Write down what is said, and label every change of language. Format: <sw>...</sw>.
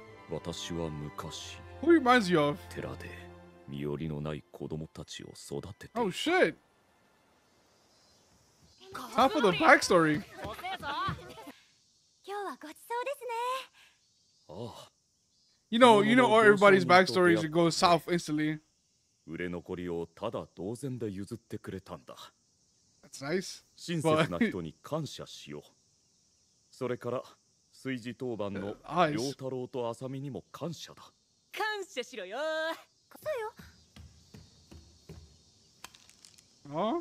<ja>わたしは昔...</ja> <en>Who reminds you of?</en> <ja>寺で身寄りのない子供たちを育てて...</ja> <en>Oh shit! Top of the backstory!</en> <ja>お姉さん!今日はごちそうですね!</ja> <en>You know all everybody's backstories go south instantly.</en> <ja>売れ残りをただ同然で譲ってくれたんだ。</ja> <en>That's nice.</en> <ja>親切な人に感謝しよう。それから炊事当番の良太郎と浅見にも感謝だ。感謝しろよ。こそよ。</ja>